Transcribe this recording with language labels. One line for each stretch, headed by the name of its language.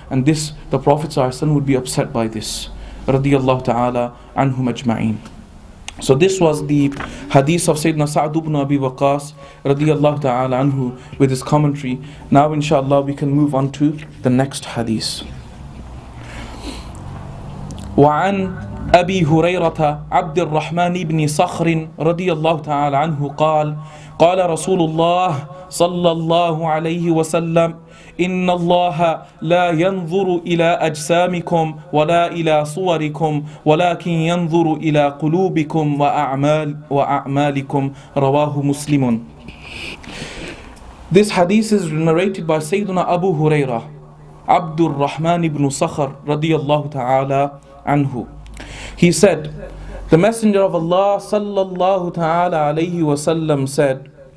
English: And this, the Prophet sallallahu alaihi wasallam would be upset by this, radiallahu ta'ala anhum ajma'in. So this was the hadith of Sayyidina Sa'd ibn Abi Waqas radiyallahu ta'ala anhu with his commentary. Now inshallah we can move on to the next hadith.
Arabic: وعن أبي هريرة عبد الرحمن بن صخر رضي الله تعالى عنه قال قال رسول الله صلى الله عليه وسلم إن الله لا ينظر إلى أجسامكم ولا إلى صوركم ولكن ينظر إلى قلوبكم وأعمالكم رواه مسلم.
English: This hadith is narrated by Sayyidina Abu Huraira عبد الرحمن بن صخر رضي الله تعالى anhu. He said, the Messenger of Allah sallallahu ta'ala alayhi wa sallam said,